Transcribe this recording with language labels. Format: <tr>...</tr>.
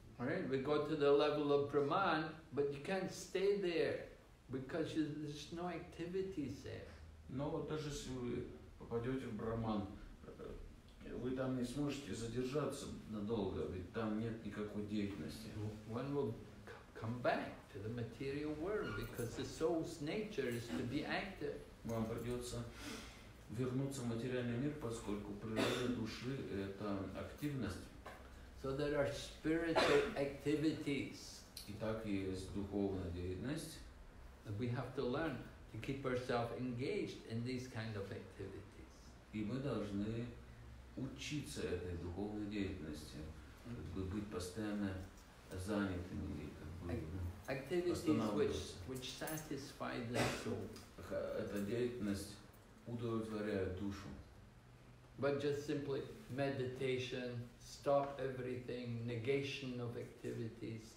<en>Right, we go to the level of Brahman, but you can't stay there because there's no activities there.</en> <ru>Но даже если вы попадете в Брахман, вы там не сможете задержаться надолго, ведь там нет никакой деятельности.</ru> <en>One will come back to the material world because the soul's nature is to be active.</en> <ru>Вам придется вернуться в материальный мир, поскольку природа души — это активность.</ru> <en>So there are spiritual activities.</en> <ru>Итак, есть духовная деятельность.</ru> <en>And we have to learn to keep ourselves engaged in these kind of activities.</en> <ru>И мы должны учиться этой духовной деятельности, как бы быть постоянно занятыми, как бы</ru> <en>activities which satisfy the soul.</en> <ru>Эта деятельность удовлетворяет душу.</ru> <en>But just simply meditation, stop everything, negation of activities.</en>